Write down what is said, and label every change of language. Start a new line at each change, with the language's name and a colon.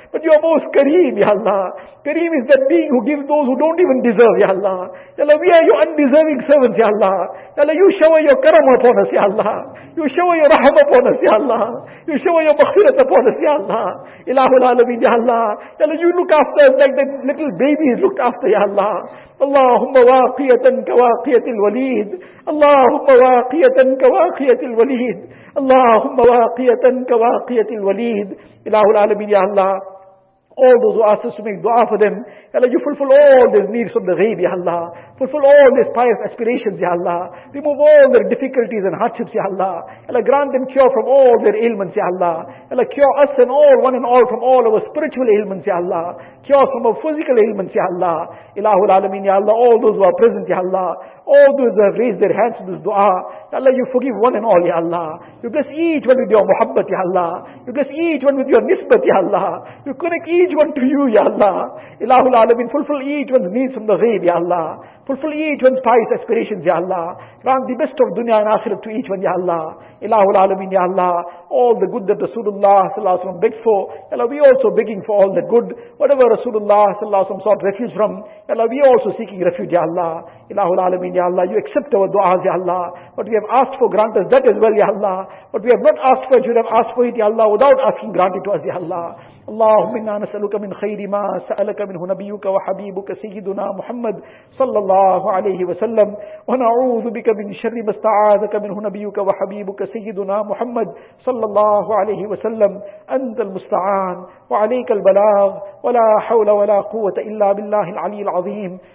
English: But you are most Kareem, Ya Allah. Kareem is that being who gives those who don't even deserve, Ya Allah. Ya Allah, we are your undeserving servants, Ya Allah. Ya Allah, you shower your karam upon us, Ya Allah. You shower your rahm upon us, Ya Allah. You shower your maghfirat upon us, Ya Allah. Ilahul Alameen, Ya Allah. Ya Allah, you look after us like that little baby is looked after, Ya Allah.
Arabic: اللهم واقية كواقية الوليد اللهم واقية كواقية الوليد اللهم واقية كواقية الوليد إله العالمين يا الله.
English: All those who ask us to make dua for them, Ya Allah, you fulfill all their needs from the ghaib, Ya Allah. Fulfill all their pious aspirations, Ya Allah. Remove all their difficulties and hardships, Ya Allah. Ya Allah, grant them cure from all their ailments, Ya Allah. Ya Allah, cure us and all, one and all, from all our spiritual ailments, Ya Allah. Cure from our physical ailments, Ya Allah. Ilahul Alameen, Ya Allah, all those who are present, Ya Allah. All those who have raised their hands to this dua, Ya Allah, you forgive one and all, Ya Allah. You bless each one with your muhabbat, Ya Allah. You bless each one with your nisbat, Ya Allah. You connect each one to you, Ya Allah. Ilahul Alameen, fulfill each one's needs from the ghaib, Ya Allah. Fulfill each one's pious aspirations, Ya Allah. Grant the best of dunya and akhirat to each one, Ya Allah. Ilahul Alameen, Ya Allah. All the good that Rasulullah sallallahu alaihi wasallam begged for, Ya Allah, we also begging for all the good. Whatever Rasulullah sallallahu alaihi wasallam sought refuge from, Ya Allah, we also seeking refuge, Ya Allah. Ilahul Alameen, Ya Allah, you accept our du'as, Ya Allah. What we have asked for, grant us that as well, Ya Allah. What we have not asked for, you have asked for it, Ya Allah, without asking, grant it to us, Ya Allah.
Arabic: اللهم إنا نسألك من خير ما سألك منه نبيك وحبيبك سيدنا محمد صلى الله عليه وسلم ونعوذ بك من شر ما استعاذك منه نبيك وحبيبك سيدنا محمد صلى الله عليه وسلم أنت المستعان وعليك البلاغ ولا حول ولا قوة إلا بالله العلي العظيم